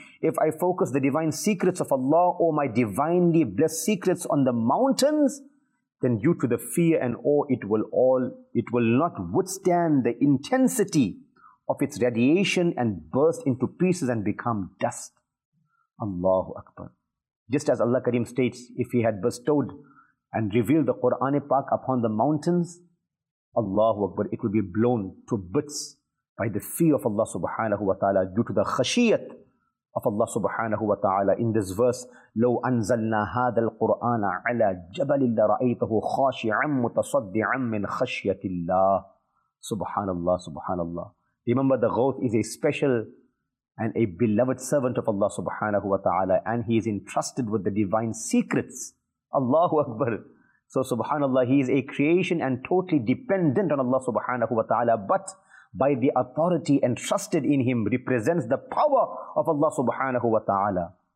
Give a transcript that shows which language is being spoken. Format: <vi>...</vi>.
<en>If I focus the divine secrets of Allah or my divinely blessed secrets on the mountains, then due to the fear and awe, it will not withstand the intensity of its radiation and burst into pieces and become dust. Allahu Akbar. Just as Allah Kareem states, if He had bestowed and revealed the Qur'an Pak upon the mountains, Allahu Akbar, it will be blown to bits by the fear of Allah subhanahu wa ta'ala due to the khashiyat of Allah subhanahu wa ta'ala. In this verse,</en> <ar>لو أنزلنا هذا القرآن على جبل لرأيته خاشعا متصدعا من خشية الله. Subhanallah, subhanallah.</ar> <en>Remember, the Ghawth is a special and a beloved servant of Allah subhanahu wa ta'ala, and he is entrusted with the divine secrets. Allahu Akbar. So subhanallah, he is a creation and totally dependent on Allah subhanahu wa ta'ala, but by the authority entrusted in him represents the power of Allah subhanahu wa ta'ala.</en>